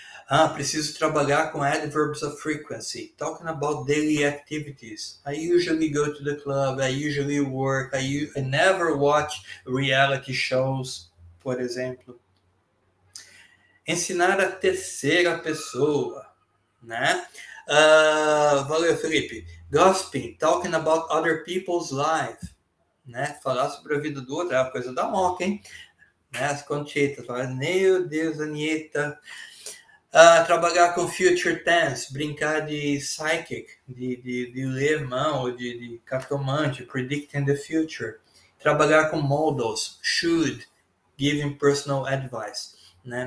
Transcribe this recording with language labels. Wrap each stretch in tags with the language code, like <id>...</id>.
<pt>Ah, preciso trabalhar com</pt> <en>adverbs of frequency. Talking about daily activities. I usually go to the club. I usually work. I never watch reality shows,</en> <pt>por exemplo. Ensinar a terceira pessoa, né? Valeu, Felipe.</pt> <en>Gossiping, talking about other people's lives,</en> <pt>né? Falar sobre a vida do outro é uma coisa da moca, hein? Né? As conchetas, meu Deus, Anieta. Trabalhar com future tense, brincar de psychic, de ler mão, ou de cartomante,</pt> <en>predicting the future.</en> <pt>Trabalhar com models,</pt> <en>should, giving personal advice,</en> <pt>né?</pt>